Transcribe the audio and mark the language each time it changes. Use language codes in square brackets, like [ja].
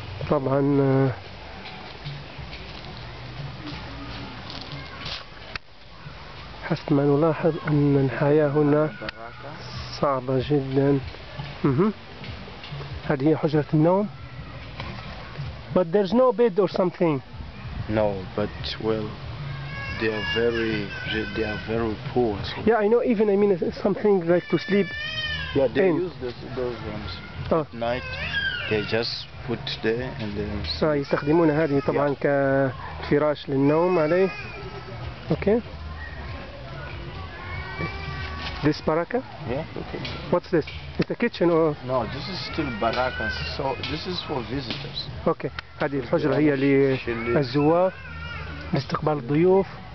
[ar] طبعا حسب ما نلاحظ أن الحياة هنا صعبة جدا. هذه هي حجرة النوم. [en] But there's no bed or something. No, but well. They are very poor. So yeah, I know. Even I mean, something like to sleep. Yeah, they in. Use those rooms. At night, they just put there and then. [ar] So يستخدمون هذه طبعا yeah. كفراش للنوم عليه. Okay. [en] This baraka? Yeah. Okay. What's this? It's a kitchen or? No, this is still baraka. So this is for visitors. [ar] Okay. هذه الحجرة هي للزوار. لاستقبال الضيوف.